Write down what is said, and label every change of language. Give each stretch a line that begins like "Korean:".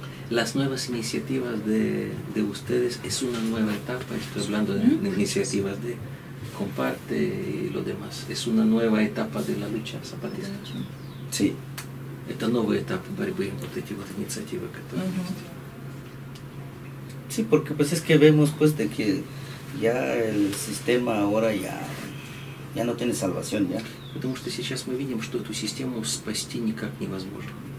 Spanish: Las nuevas iniciativas de ustedes es una nueva etapa. Estoy hablando de iniciativas de Comparte y lo demás. Es una nueva etapa de la lucha zapatista. Sí.
Russian: Это новый этап борьбы, вот эти вот инициативы, которые есть.
Spanish: Sí, porque pues es que vemos pues de que ya el sistema ahora ya... Ya no tiene salvación, ya.
Russian: Потому что сейчас мы видим, что эту систему спасти никак невозможно.